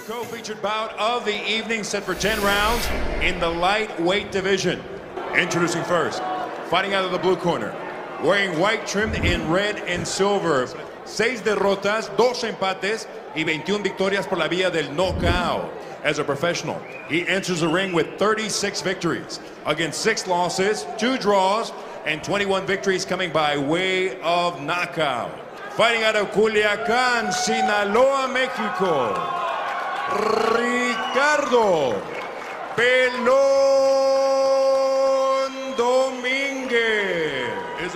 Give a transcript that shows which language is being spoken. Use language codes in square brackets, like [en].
[en] featured bout of the evening, set for 10 rounds in the lightweight division. Introducing first, fighting out of the blue corner, wearing white trim in red and silver. [es] Seis derrotas, dos empates, y 21 victorias por la vía del knockout. [en] As a professional, he enters the ring with 36 victories against 6 losses, 2 draws, and 21 victories coming by way of knockout. Fighting out of Culiacán, Sinaloa, Mexico, Ricardo Pelón Dominguez.